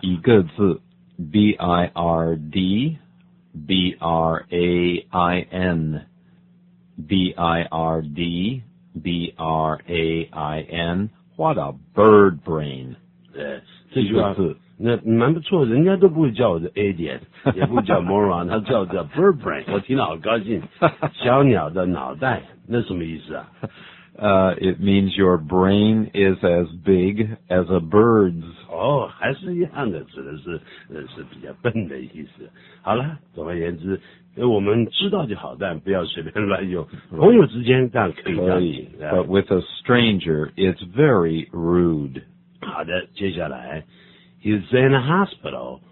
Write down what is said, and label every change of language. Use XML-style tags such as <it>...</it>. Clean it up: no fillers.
<zh>一个字</zh> <en>,B-I-R-D, B-R-A-I-N, B-I-R-D, B-R-A-I-N. What a bird brain.</en> <zh>这句话是那蛮不错，人家都不会叫我的 idiot, 也不叫 moron, 他叫我叫 bird brain, 我听了好高兴。小鸟的脑袋那什么意思啊？</zh> <en>It means your brain is as big as a bird's.</en> <zh>Oh, 还是一样的，指的是比较笨的意思。好了，总而言之，我们知道就好，但不要随便乱用。朋友之间这样可以这样讲。</zh> <en>But with a stranger, it's very rude.</en> <zh>好的，接下来 ，</zh> <en>he's in a hospital.</en>